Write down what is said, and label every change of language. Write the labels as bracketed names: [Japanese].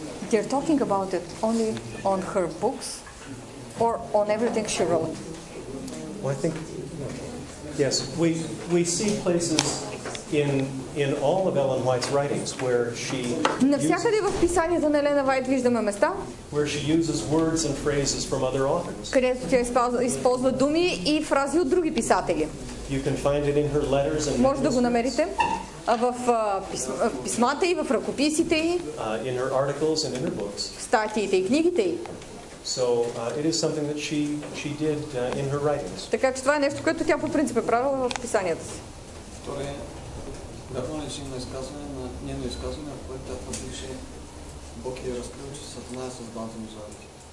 [English] They're talking about it only on her books or on everything she wrote? Well, I think yes, we see places in all of Ellen White's writings where she [Bulgarian] навсякъде в писанията на Елена Вайт виждаме места [English] where she uses words and phrases from other authors. [Bulgarian] Където тя използва думи и фрази от други писатели. [English] You can find it in her letters and [Bulgarian] може да го намерите в писмата и в ръкописите и [English] in her articles and in her books. [Bulgarian] В статиите и книгите й. [English] So it is something that she did in her writings. [Bulgarian] Така че това е нещо, което тя по принцип е правила в писанията си. Да, това не си има изказване, но не едно изказване, а в което тя пише Бог е разкрил, че Сатана е създан за мизерите.